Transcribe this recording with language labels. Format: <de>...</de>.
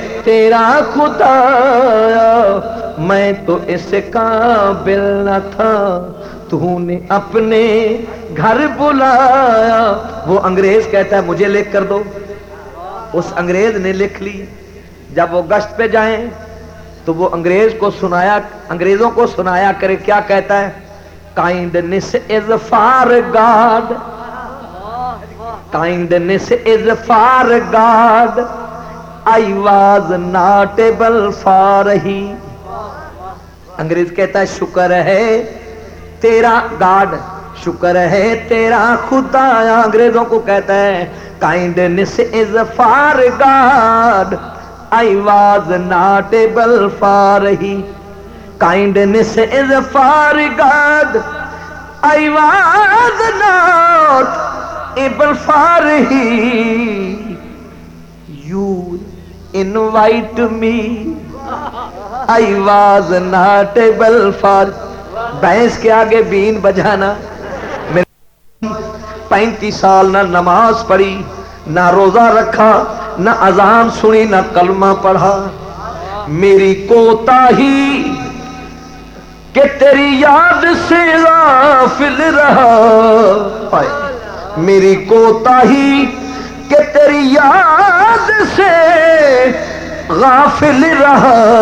<ur>تیرا خدا آیا میں تو اس قابل نہ تھا تو نے اپنے گھر بلایا. وہ انگریز کہتا ہے مجھے لکھ کر دو. اس انگریز نے لکھ لی. جب وہ گشت پہ جائیں تو وہ انگریز کو سنایا, انگریزوں کو سنایا کرے کیا کہتا ہے,</ur> <en>kindness is for God, kindness is for God, I was not able for he.</en> <ur>انگریز کہتا ہے شکر ہے تیرا گاڈ, شکر ہے تیرا خدا. انگریزوں کو کہتا ہے</ur> <en>kindness is for God, I was not able for he. Kindness is for God, I was not able for he. You invite me, I was not able for.</en> <ur>بھینس کے آگے بین بجانا. میں 35 سال نہ نماز پڑھی نہ روزہ رکھا نہ اذان سنی نہ کلمہ پڑھا. میری کوتاہی کہ تیری یاد سے غافل رہا, میری کوتاہی کہ تیری یاد سے غافل رہا,</ur>